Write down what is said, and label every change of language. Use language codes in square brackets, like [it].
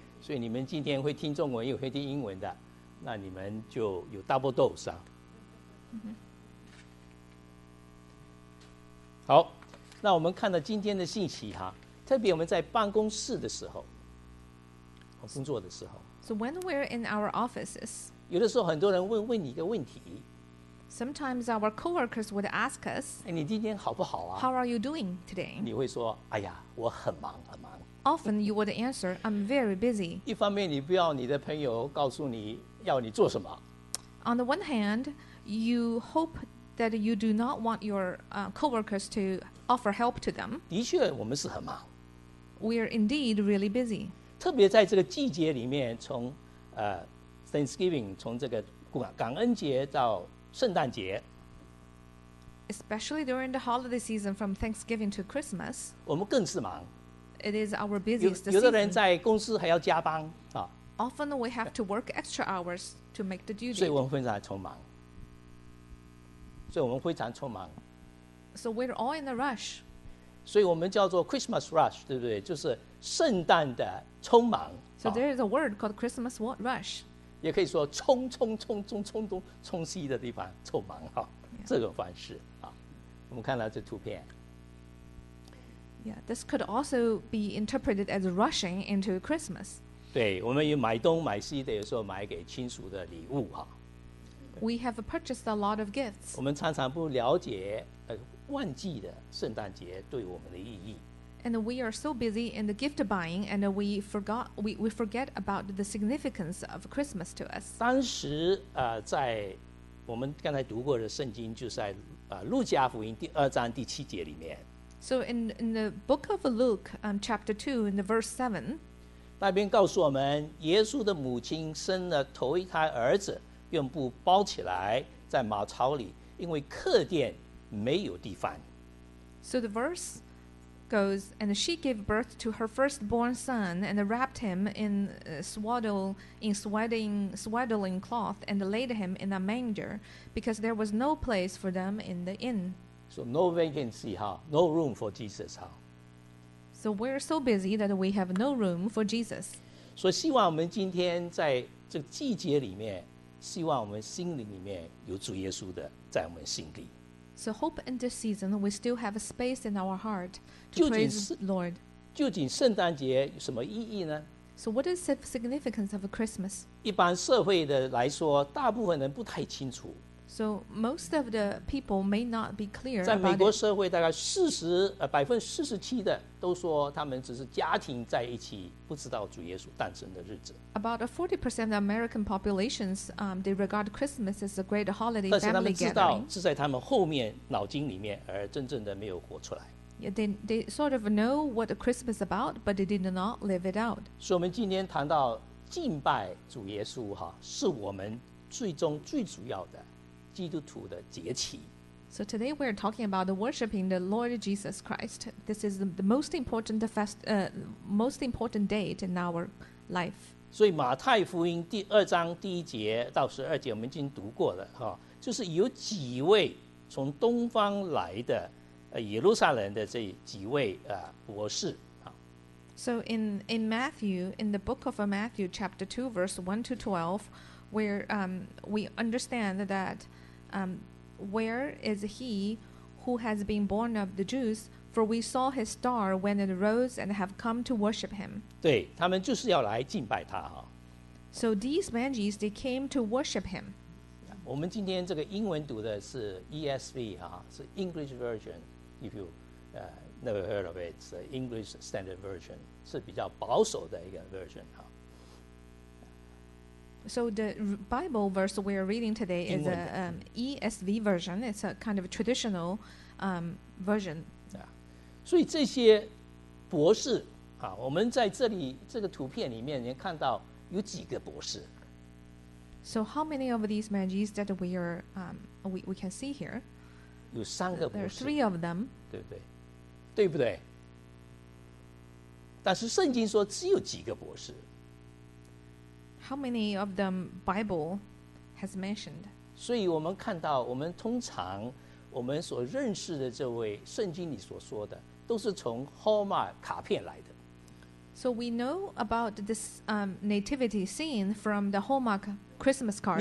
[zh] 所以你们今天会听中文，又会听英文的，那你们就有 [en] double dose [zh] 啊。 Mm-hmm. 好，那我们看到今天的信息哈，特别我们在办公室的时候，工作的时候。 [en] So when we're in our offices， [zh] 有的时候很多人问你一个问题。 [en] Sometimes our coworkers would ask us, [zh] 哎，你今天好不好啊？ [en] How are you doing today? [zh] 你会说，哎呀，我很忙，很忙。 [en] Often you would answer, I'm very busy. [zh] 一方面你不要你的朋友告诉你要你做什么。 [en] On the one hand, you hope that you do not want your coworkers to offer help to them. [zh] 的确，我们是很忙。 [en] We are indeed really busy. [zh] 特别在这个季节里面，从Thanksgiving， 从这个感恩节到圣诞节 [en] Especially during the holiday season from Thanksgiving to Christmas [zh] 我们更是忙 [en] It is our busiest season [zh] 有的人在公司还要加班、啊、 [en] Often we have to work extra hours to make the duty [zh] 所以我们非常匆忙所以我们非常匆忙 [en] So we're all in a rush [zh] 所以我们叫做 [en] Christmas rush [zh] 对不对就是圣诞的匆忙 [en] So there is a word called Christmas rush [zh] 也可以说冲冲冲冲冲东冲西的地方匆忙哈、yeah. 这种方式啊我们看到这图片 [en] yeah this could also be interpreted as rushing into Christmas [zh] 对我们有买东买西的有时候买给亲属的礼物哈 [en] we have purchased a lot of gifts [zh] 我们常常不了解忘记的圣诞节对我们的意义 [en] And we are so busy in the gift buying, and we forget about the significance of Christmas to us. [zh] 当时，在我们刚才读过的圣经，就在路加福音第二章第七节里面。 [en] So in the book of Luke, chapter 2, in the verse 7, [zh] 那边告诉我们，耶稣的母亲生了头一胎儿子，用布包起来在马槽里，因为客店没有地方。 [en] So the verse goes, and she gave birth to her firstborn son and wrapped him in swaddling cloth and laid him in a manger because there was no place for them in the inn. So no vacancy, huh? No room for Jesus, huh? So we're so busy that we have no room for Jesus. [zh] So 希望我们今天在这个季节里面，希望我们心灵里面有主耶稣的在我们心里。 [en] So hope in this season we still have a space in our heart to praise the Lord. [zh] 究竟圣诞节有什么意义呢？ [en] So what is the significance of Christmas? [zh] 一般社会的来说，大部分人不太清楚。 [en] So most of the people may not be clear about it. [zh] 在美国社会大概47%的都说他们只是家庭在一起，不知道主耶稣诞生的日子。 [en] About 40% of American populations, they regard Christmas as a great holiday family gathering. [zh] 但是他们知道是在他们后面脑筋里面，而真正的没有活出来。 [en] Yeah, they sort of know what Christmas is about, but they did not live it out. [zh] 所以我们今天谈到敬拜主耶稣，是我们最终最主要的基督徒的节期。 [en] So today we're talking about worshiping the Lord Jesus Christ. This is the most important date in our life. [zh] 所以马太福音第二章第一节到十二节我们已经读过了，就是有几位从东方来的耶路撒冷的这几位博士。 [en] So in Matthew, in the book of Matthew, chapter 2, verse 1 to 12, we understand that where is he who has been born of the Jews? For we saw his star when it rose and have come to worship him. [zh] 对，他们就是要来敬拜他。 [en] So these Magi's, they came to worship him. [zh] 我们今天这个英文读的是 ESV 是 [en] English version. If you never heard of it, it's the English Standard Version. [zh] 是比较保守的一个 version。 [en] So the Bible verse we are reading today is an ESV version. It's a kind of a traditional version. [zh] 所以这些博士，我们在这里这个图片里面，你看到有几个博士。 [en] So how many of these Magi's that we are we can see here? [zh] 有三个博士。 [en] There are three of them. [zh] 对不对？对不对？但是圣经说只有几个博士。 [en] How many of them Bible has mentioned? [zh] 所以我们看到我们通常我们所认识的这位圣经里所说的都是从 Hallmark 卡片来的。 [en] So we know about this nativity scene from the Hallmark Christmas cards.